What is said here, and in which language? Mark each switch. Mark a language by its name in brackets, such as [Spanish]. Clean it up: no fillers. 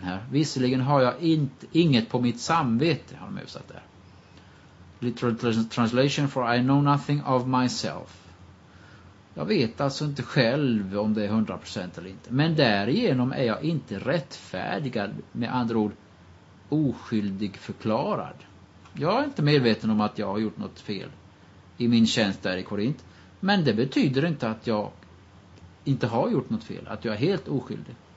[Swedish] Visserligen har jag inget på mitt samvete, har de översatt där. [English] Literal translation, for I know nothing of myself. [Swedish] Jag vet alltså inte själv om det är 100% eller inte. Men därigenom är jag inte rättfärdigad, med andra ord, oskyldig förklarad. Jag är inte medveten om att jag har gjort något fel i min tjänst där i Korint. Men det betyder inte att jag inte har gjort något fel, att jag är helt oskyldig.